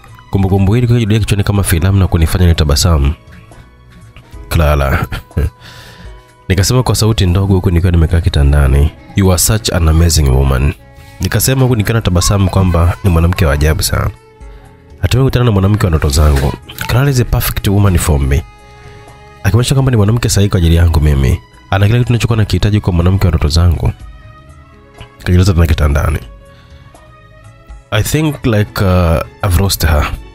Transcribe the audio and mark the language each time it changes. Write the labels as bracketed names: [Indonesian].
[Swahili] Kumbukumbu hii ilikuwa kichwani kama filamu na kunifanya nitabasamu. Clara. Nikasema kwa sauti ndogo huku nikiwa nimekaa kitandani, [English] you are such an amazing woman. [Swahili] Nikasema huku nikiwa natabasamu kwamba ni mwanamke wa ajabu sana. Hatimaye kukutana na mwanamke wa ndoto zangu. [English] Clara is a perfect woman for me. [Swahili] Akimaanisha kwamba ni mwanamke sahihi kwa ajili yangu mimi. Ana kile kitu ninachokuwa nakihitaji kwa mwanamke wa ndoto zangu. Kajiuliza tena kitandani. [English] I think like I've lost her.